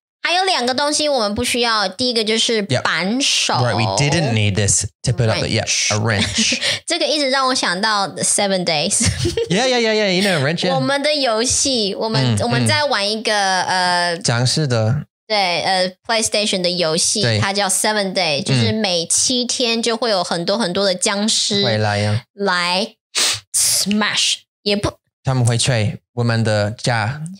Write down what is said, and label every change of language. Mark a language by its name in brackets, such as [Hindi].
[Chinese] 还有两个东西我们不需要，第一个就是扳手。 [English] Yep. Right, we didn't need this to put up the, yeah, a wrench. [Chinese] 这个一直让我想到 Seven Days. [English] Yeah, yeah, yeah, yeah, you know, a wrench, yeah. [Chinese] 我们的游戏，我们在玩一个僵尸的。对PlayStation 的游戏，它叫 Seven Days, 就是每七天就会有很多很多的僵尸会来呀。来 smash, 也不。他们会吹我们的家。